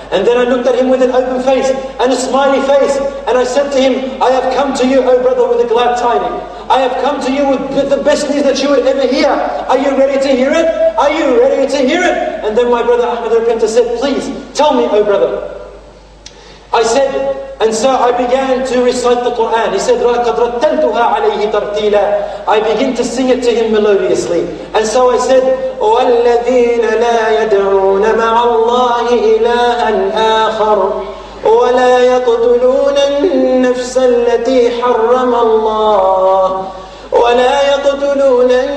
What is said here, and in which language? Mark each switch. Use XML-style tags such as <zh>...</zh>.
<en>And then I looked at him with an open face and a smiley face. And I said to him, I have come to you, O brother, with a glad tidings. I have come to you with the best news that you would ever hear. Are you ready to hear it? Are you ready to hear it? And then my brother Ahmed al-Repenter said, please tell me, O brother. I said, and so I began to recite the Quran. He said,</en> <ar>قَدْ رَتَّلْتُهَا عَلَيْهِ تَرْتِيلًا.</ar> <en>I begin to sing it to him melodiously. And so I said,</en> <ar>وَالَّذِينَ لَا يَدْعُونَ مَعَ اللَّهِ إِلَٰهًا آخَرٌ وَلَا يَقْتُلُونَ النَّفْسَ الَّتِي حَرَّمَ اللَّهُ وَلَا يَقْتُلُونَ</ar>